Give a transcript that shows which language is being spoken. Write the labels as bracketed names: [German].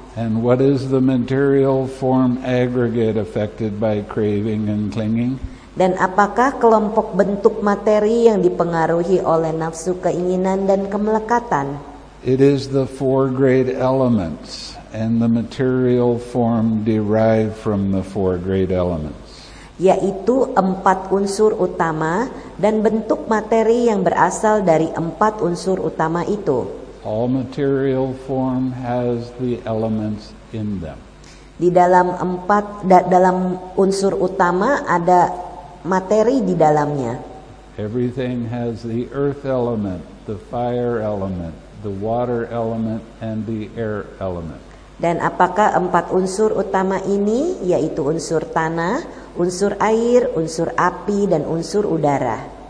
[English] And what is the material form aggregate affected by craving and clinging? [Indonesian] Dan apakah kelompok bentuk materi yang dipengaruhi oleh nafsu keinginan dan kemelekatan? [English] It is the four great elements and the material form derived from the four great elements. [Indonesian] Yaitu empat unsur utama dan bentuk materi yang berasal dari empat unsur utama itu. [English] All material form has the elements in them. [Indonesian] Di dalam empat dalam unsur utama ada materi di dalamnya. [English] Everything has the earth element, the fire element, the water element, and the air element. [Indonesian] Dan apakah empat unsur utama ini, yaitu unsur tanah, unsur air, unsur api, dan unsur udara,